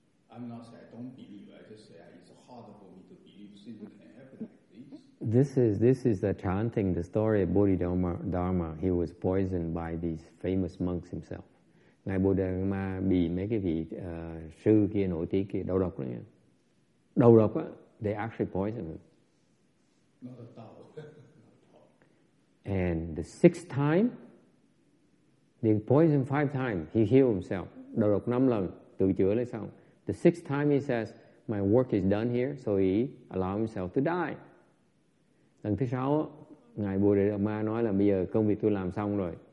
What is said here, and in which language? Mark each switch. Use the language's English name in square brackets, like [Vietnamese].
[English] I'm not saying I don't believe, I just say it's hard for me to believe something can happen like this. This is the chanting, the story of Bodhidharma. He was poisoned by these famous monks himself. [Vietnamese] Ngài Bodhidharma bị mấy cái vị sư kia nổi tiếng kia đầu độc đó nha. Đầu độc á, [English] they actually poisoned him. And the sixth time, they poisoned five times, he healed himself. [Vietnamese] Đầu độc năm lần, tự chữa lấy xong. [English] The sixth time he says, my work is done here, so he allowed himself to die. [Vietnamese] Lần thứ sáu, Ngài Bodhidharma nói là bây giờ công việc tôi làm xong rồi.